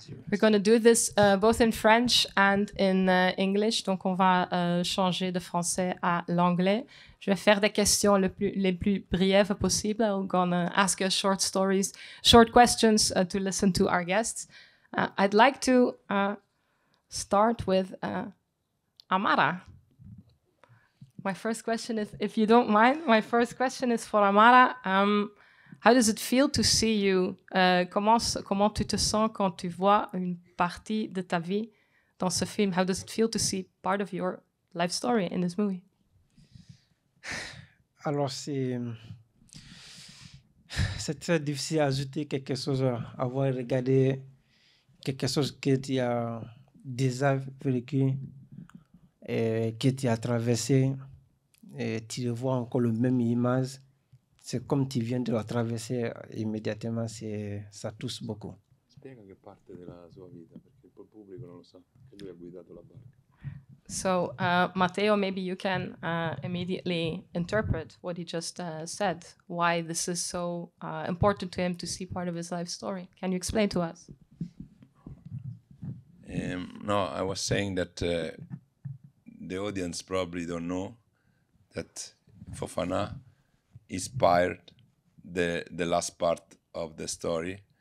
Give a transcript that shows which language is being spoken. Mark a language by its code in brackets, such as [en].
[en] We're going to do this both in French and in English. [fr] Donc, on va changer de français à l'anglais. Je vais faire des questions les plus brièves possibles. [en] I'm going to ask us short stories, short questions to listen to our guests. I'd like to start with Amara. My first question is, if you don't mind, my first question is for Amara. How does it feel to see you? [fr] Comment tu te sens quand tu vois une partie de ta vie dans ce film? [en] How does it feel to see part of your life story in this movie? [fr] Alors, c'est très difficile à ajouter quelque chose, avoir regardé quelque chose que tu as déjà vécu et que tu as traversé et tu le vois encore le même image. C'est comme tu viens de la traverser immédiatement, ça touche beaucoup. [it] Spiega che parte della sua vita, perché il pubblico non lo sa, che lui ha guidato la barca. [en] So, Matteo, maybe you can immediately interpret what he just said, why this is so important to him to see part of his life story. Can you explain to us? No, I was saying that the audience probably don't know that Fofana inspired the last part of the story.